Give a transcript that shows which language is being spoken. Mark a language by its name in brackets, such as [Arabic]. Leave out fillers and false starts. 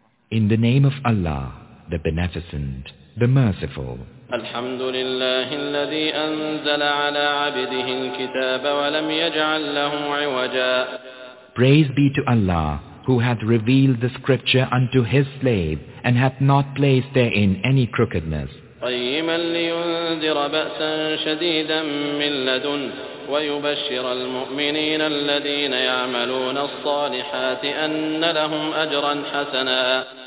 [English] In the name of Allah, the Beneficent, the Merciful. [Arabic] الحمد لله الذي أنزل على عبده الكتاب ولم يجعل له عوجا. [English] Praise be to Allah, who hath revealed the scripture unto his slave, and hath not placed therein any crookedness. [Arabic] قيما لينذر بأسا شديدا من لدن ويبشر المؤمنين الذين يعملون الصالحات أن لهم أجرا حسنا.